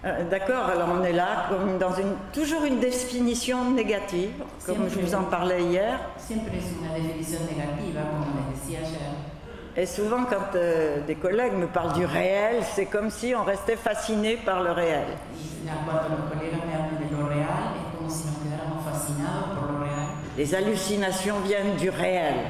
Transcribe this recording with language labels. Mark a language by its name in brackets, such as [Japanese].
[French] D'accord, alors on est là, comme dans toujours une définition négative, comme siempre, je vous en parlais hier. [Spanish] Siempre es una definición negativa, como les decía ayer. [French] Et souvent, quand des collègues me parlent du réel, c'est comme si on restait fasciné par le réel. [Spanish] Y cuando los colegas me hablan de lo real, es como si nos quedáramos fascinados por lo real. [French] Les hallucinations viennent du réel.